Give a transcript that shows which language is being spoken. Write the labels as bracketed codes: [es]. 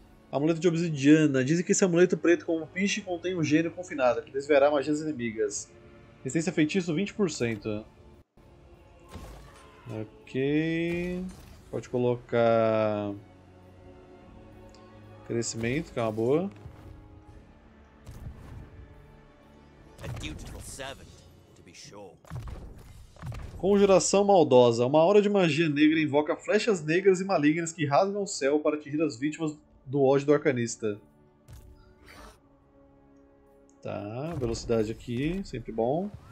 [pt] Amuleto de obsidiana. Dizem que esse amuleto preto como um piche contém um gênio confinado, que desviará magias inimigas. Resistência feitiço 20%. Ok. Pode colocar. Crescimento, que é uma boa. [en] A dutiful servant, to be sure. [pt] Conjuração maldosa. Uma aura de magia negra invoca flechas negras e malignas que rasgam o céu para atingir as vítimas do ódio do arcanista. Tá, velocidade aqui, sempre bom.